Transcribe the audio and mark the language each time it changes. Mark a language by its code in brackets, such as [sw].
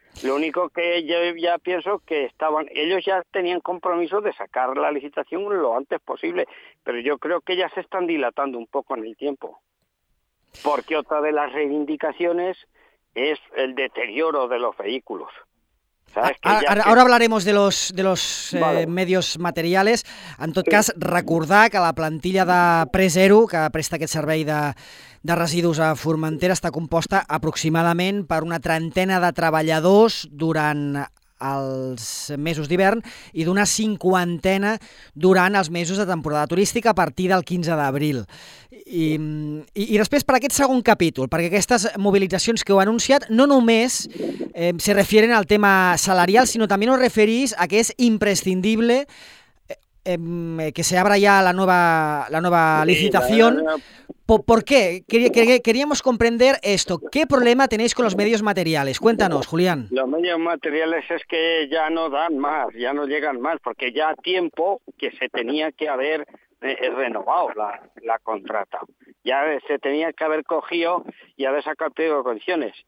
[es] Lo único que yo ya pienso que ellos ya tenían compromiso de sacar la licitación lo antes posible, pero yo creo que ya se están dilatando un poco en el tiempo. Porque otra de las reivindicaciones es el deterioro de los vehículos. Ahora hablaremos de los vale. Medios materials. [ca] En tot cas, recordar que la plantilla de Preseru, que presta aquest servei de residus a Formentera, està composta aproximadament per una trentena de treballadors durant els mesos d'hivern i d'una cinquantena durant els mesos de temporada turística a partir del 15 d'abril. I després, per aquest segon capítol, perquè aquestes mobilitzacions que heu anunciat no només [es] se refieren al tema salarial, [ca] sinó també us referís a que és imprescindible que [es] se abra [ca] ja la nova licitació. [es] ¿Por qué? Queríamos comprender esto. ¿Qué problema tenéis con los medios materiales? Cuéntanos, Julián. Los medios materiales es que ya no dan más, ya no llegan más, porque ya tiempo que se tenía que haber renovado la contrata. Ya se tenía que haber cogido y haber sacado pliego de condiciones.